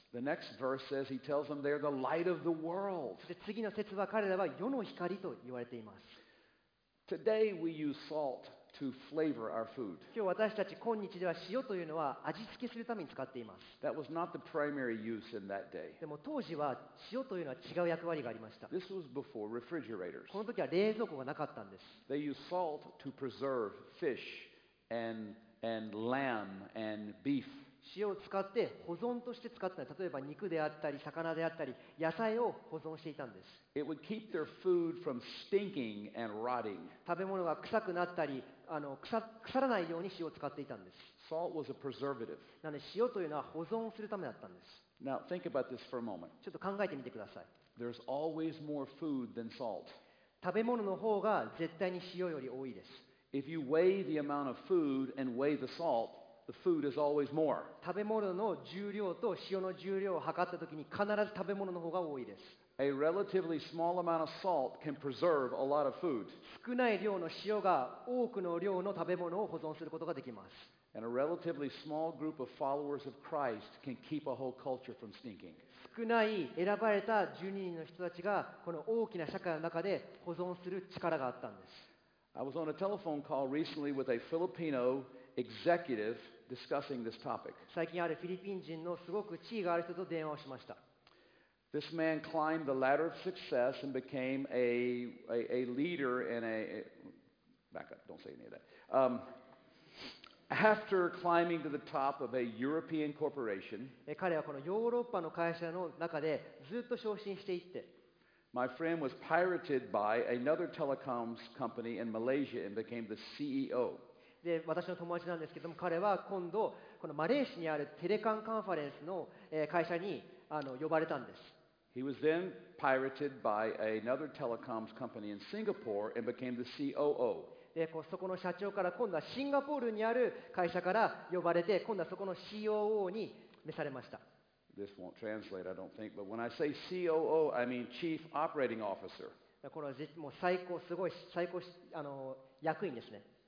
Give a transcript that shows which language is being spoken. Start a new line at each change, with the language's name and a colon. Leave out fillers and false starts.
English: The next verse says he tells them they are the light of the world.
Japanese: そして次の節は彼らは世の光と言われています。
English: Today we use salt to flavor our food.
Japanese: 今日私たち今日では塩というのは味付けするために使っています。
English: That was not the primary use in that day.
Japanese: でも当時は塩というのは違う役割がありました。
English: This was before refrigerators.
Japanese: この時は冷蔵庫がなかったんです。
English: They used salt to preserve fish and, lamb and beef.
Japanese: 塩を使って保存として使ったのは、例えば肉であったり魚であったり野菜を保存していたんです。
English: It would keep their food from stinking and rotting.
Japanese: 食べ物が臭くなったり、腐らないように塩を使っていたんです。
English: Salt was a preservative.
Japanese: なので塩というのは保存するためだったんです。
English: Now think about this for a moment.
Japanese: ちょっと考えてみてください。
English: There's always more food than salt.
Japanese: 食べ物の方が絶対に塩より多いです。
English: If you weigh the amount of food and weigh the salt, the food is always more.
Japanese: 食べ物の重量と塩の重量を測ったときに必ず食べ物の方が多いです。
English: A relatively small amount of salt can preserve a lot of food.
Japanese: 少ない量の塩が多くの量の食べ物を保存することができます。
English: And a relatively small group of followers of Christ can keep a whole culture from stinking.
Japanese: 少ない選ばれた12人の人たちがこの大きな社会の中で保存する力があったんです。
English: I was on a telephone call recently with a Filipino executive discussing this topic.
Japanese: 最近あるフィリピン人のすごく地位がある人と電話をしました。
English: This man climbed the ladder of success and became a leader in a... Back up, don't say any of that. After climbing to the top of a European corporation,
Japanese: 彼はこのヨーロッパの会社の中でずっと昇進していって、
English: My friend was pirated by another telecoms company in Malaysia and became the CEO.
Japanese: で、私の友達なんですけども、彼は今度このマレーシアにあるテレカンカンファレンスの会社に呼ばれたんです。
English: He was then pirated by another telecoms company in Singapore and became the COO.
Japanese: で、そこの社長から今度はシンガポールにある会社から呼ばれて、今度はそこの COO に召されました。
English: This won't translate, I don't think. But when I say COO, I mean Chief Operating Officer.
Japanese: これはもう最高、すごい最高役員ですね。